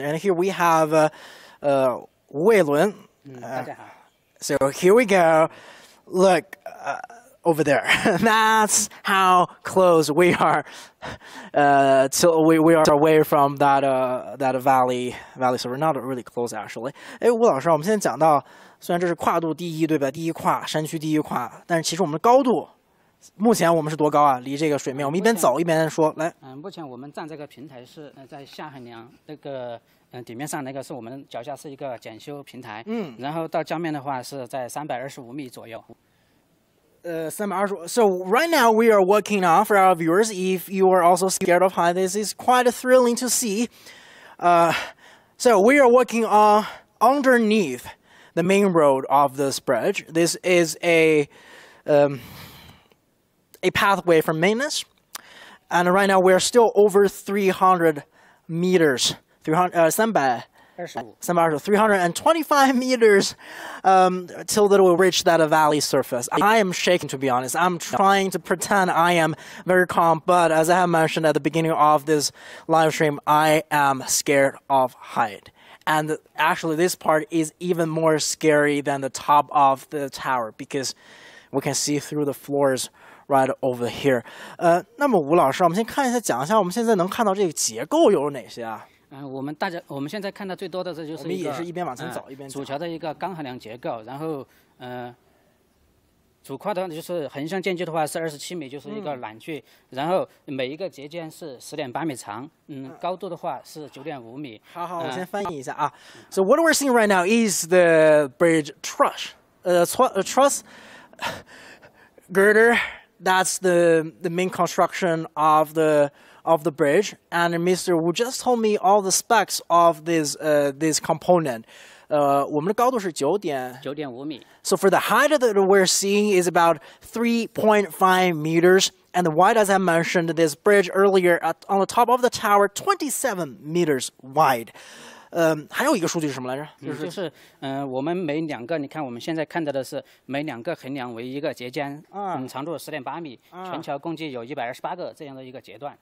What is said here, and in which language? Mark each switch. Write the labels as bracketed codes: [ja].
[en] And here we have... Weilun, so here we go. Look over there. That's how close we are. So we are away from that that valley. So we're not really close, actually. [zh] 哎，吴老师，我们现在讲到，虽然这是跨度第一，对吧？第一跨山区第一跨，但是其实我们的高度，目前我们是多高啊？离这个水面，我们一边走一边说，来。目前我们站这个平台是在下海梁那个。底面上那个是我们脚下是一个检修平台，然后到江面的话是在325米左右。 [en] 325. So right now we are walking on. For our viewers, if you are also scared of height, this is quite thrilling to see. So we are walking on underneath the main road of this bridge. This is a pathway for maintenance, and right now we are still over 300 meters. 325 meters till that we reach that valley surface. I am shaking, to be honest. I'm trying to pretend I am very calm, but as I have mentioned at the beginning of this live stream, I am scared of height. And actually, this part is even more scary than the top of the tower, because we can see through the floors right over here. [zh] 那么吴老师，我们先看一下，讲一下我们现在能看到这个结构有哪些啊？我们现在看到最多的这就是一个，我们也是一边往前走一边走，主桥的一个钢横梁结构，然后主跨的就是横向间距的话是27米，就是一个缆距，然后每一个节间是10.8米长，高度的话是9.5米。好好，我先翻译一下啊。 [en] So what we're seeing right now is the bridge truss, truss girder. That's the main construction of the bridge, and Mr. Wu just told me all the specs of this component. [zh] 我们的高度是9.5米。 [en] So for the height that we're seeing is about 3.5 meters, and the wide, as I mentioned, this bridge earlier on the top of the tower, 27 meters wide. [zh] 还有一个数据是什么来着？就是我们每两个，你看我们现在看到的是每两个横梁为一个节间，长度10.8米，全桥共计有128个这样的一个节段。